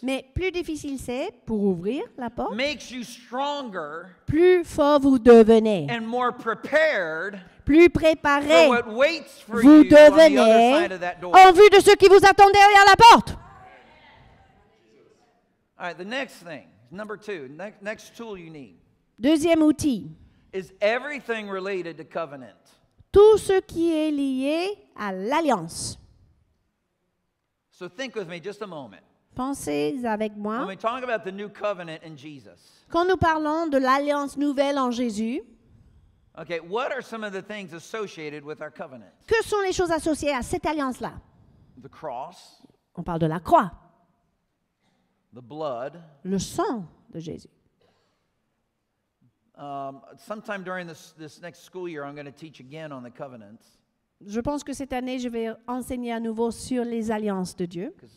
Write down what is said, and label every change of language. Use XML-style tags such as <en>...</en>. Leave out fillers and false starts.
<fr>Mais plus difficile c'est pour ouvrir la porte.</fr> <en>Makes you stronger.</en> <fr>Plus fort vous devenez.</fr> <en>And more prepared.</en> <fr>Plus préparé.</fr> <en>For what waits for</en> <fr>vous devenez</fr> <en>on the other side of that door.</en> <fr>En vue de ce qui vous attend derrière la porte.</fr> <en>All right, the next thing, number two, next tool you need.</en> <fr>Deuxième outil.</fr> <en>Is everything related to covenant.</en> <fr>Tout ce qui est lié à l'alliance.</fr> <en>So think with me just a moment.</en> <fr>Pensez avec moi.</fr> <en>When we talk about the new covenant in Jesus.</en> <fr>Quand nous parlons de l'alliance nouvelle en Jésus.</fr> <en>Okay, what are some of the things associated with our covenant?</en> <fr>Que sont les choses associées à cette alliance-là?</fr> <en>The cross.</en> <fr>On parle de la croix.</fr> <en>The blood.</en> <fr>Le sang de Jésus.</fr> <en>Sometime during this next school year, I'm going to teach again on the covenants.</en> <fr>Je pense que cette année, je vais enseigner à nouveau sur les alliances de Dieu.</fr>